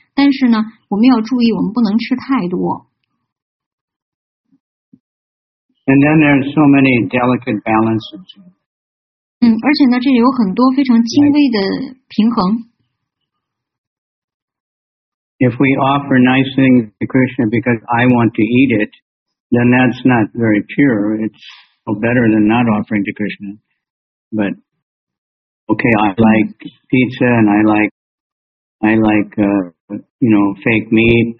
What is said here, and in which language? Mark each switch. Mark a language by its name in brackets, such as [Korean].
[Chinese] 但是呢，我们要注意，我们不能吃太多。 [English] And then there are so many delicate balances. [Chinese] 而且呢，这里有很多非常轻微的平衡。 [English] If we offer nice things to Krishna because I want to eat it, then that's not very pure. It's better than not offering to Krishna. But, okay, I like pizza and I like fake meat.